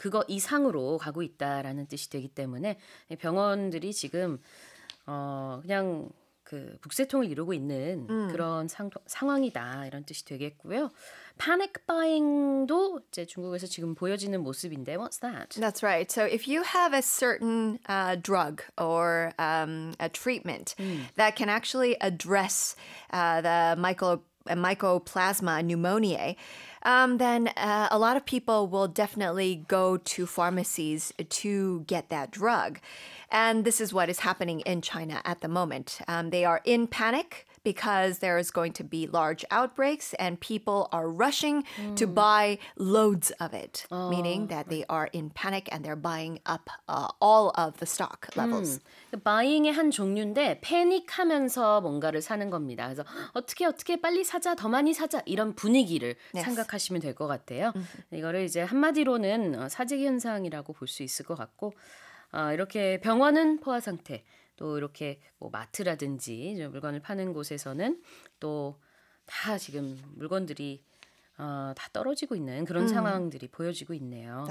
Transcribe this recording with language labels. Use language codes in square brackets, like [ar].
[ko] 그거 이상으로 가고 있다라는 뜻이 되기 때문에 병원들이 지금 그냥 그 북새통을 이루고 있는 그런 상황이다 이런 뜻이 되겠고요. Panic buying도 이제 중국에서 지금 보여지는 모습인데, [en] what's that? That's right. So if you have a certain drug or a treatment that can actually address the mycoplasma pneumoniae, then a lot of people will definitely go to pharmacies to get that drug. And this is what is happening in China at the moment. They are in panic because there is going to be large outbreaks and people are rushing to buy loads of it, meaning that they are in panic and they're buying up all of the stock levels. [ko] Buying의 한 종류인데 패닉하면서 뭔가를 사는 겁니다. 그래서 어떻게 빨리 사자, 더 많이 사자 이런 분위기를 생각하시면 될 것 같아요. 이거를 이제 한마디로는 사재기 현상이라고 볼 수 있을 것 같고 이렇게 병원은 포화 상태, 또 이렇게 뭐 마트라든지 물건을 파는 곳에서는 또 다 지금 물건들이 다 떨어지고 있는 그런 상황들이 보여지고 있네요.